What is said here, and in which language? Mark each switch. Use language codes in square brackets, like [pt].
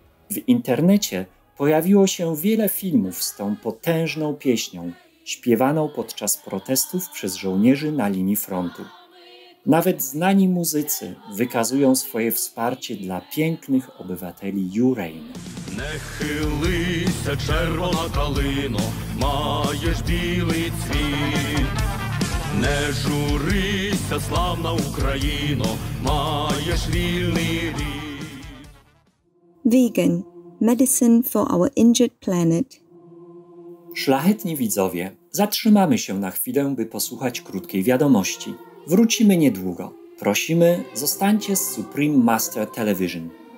[pl] W internecie pojawiło się wiele filmów z tą potężną pieśnią, śpiewaną podczas protestów przez żołnierzy na linii frontu. Nawet znani muzycy wykazują swoje wsparcie dla pięknych obywateli Ureignian. [uk] Не хилися, червона калино, маєш білий цвіт. Не журися, славна Україно, маєш вільний рід. [en] Vegan, medicine for our injured planet. [pl] Szlachetni widzowie, zatrzymamy się na chwilę, by posłuchać krótkiej wiadomości. Wrócimy niedługo. Prosimy, zostańcie z Supreme Master Television.